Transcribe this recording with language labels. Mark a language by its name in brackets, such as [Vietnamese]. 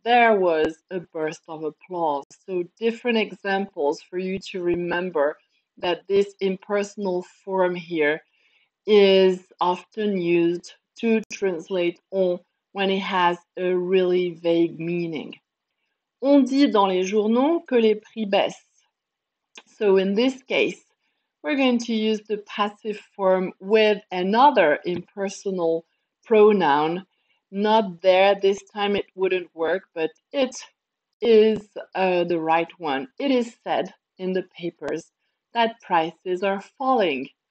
[English] There was a burst of applause. So different examples for you to remember that this impersonal form here is often used to translate on when it has a really vague meaning. [French] On dit dans les journaux que les prix baissent. [English] So in this case, we're going to use the passive form with another impersonal pronoun. Not there, this time it wouldn't work, but it is the right one. It is said in the papers that prices are falling.